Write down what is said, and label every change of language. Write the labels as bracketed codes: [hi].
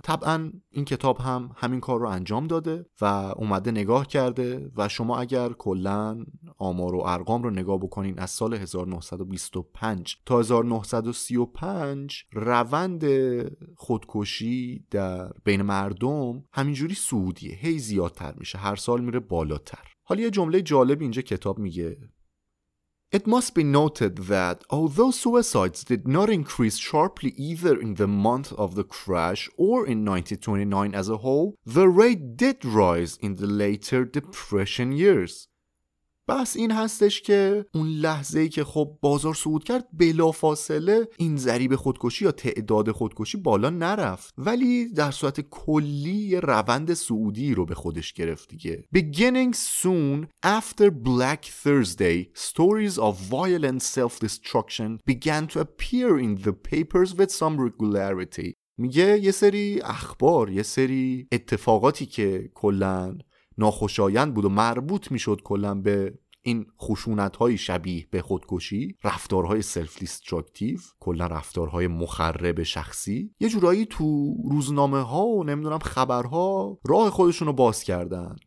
[fa] طبعا این کتاب هم همین کار رو انجام داده و اومده نگاه کرده و شما اگر کلن آمار و ارقام رو نگاه بکنین از سال 1925 تا 1935 روند خودکشی در بین مردم همینجوری سعودیه، هی زیادتر میشه، هر سال میره بالاتر. حالا یه جمله جالب اینجا کتاب میگه: [en] It must be noted that although suicides did not increase sharply either in the month of the crash or in 1929 as a whole, the rate did rise in the later depression years. [fa] بس این هستش که اون لحظه ای که خب بازار صعود کرد بلافاصله این ضریب خودکشی یا تعداد خودکشی بالا نرفت، ولی در صورت کلی روند صعودی رو به خودش گرفت دیگه. [en] Beginning soon after Black Thursday, stories of violent self-destruction began to appear in the papers with some regularity. [fa] میگه یه سری اخبار، یه سری اتفاقاتی که کلن ناخوشایند بود و مربوط میشد کلا به این خشونت‌های شبیه به خودکشی، رفتارهای سلف دیستراکتیو، کلا رفتارهای مخرب شخصی، یه جورایی تو روزنامه‌ها و نمی‌دونم خبرها راه خودشونو باز کردن.